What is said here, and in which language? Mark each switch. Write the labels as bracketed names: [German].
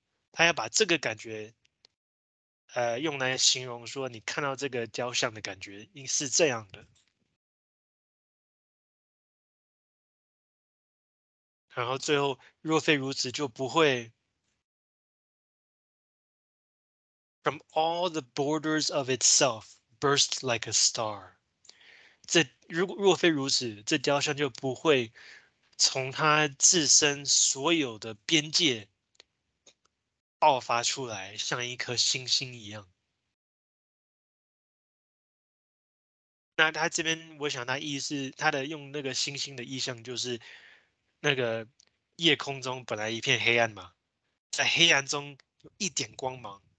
[Chinese] 他要把这个感觉用来形容说你看到这个雕像的感觉应是这样的。然后最后若非如此就不会。 [English] From all the borders of itself, burst like a star. [Chinese] 这若非如此，这雕像就不会从它自身所有的边界爆发出来，像一颗星星一样。那他这边，我想他意思，他的用那个星星的意象，就是那个夜空中本来一片黑暗嘛，在黑暗中有一点光芒。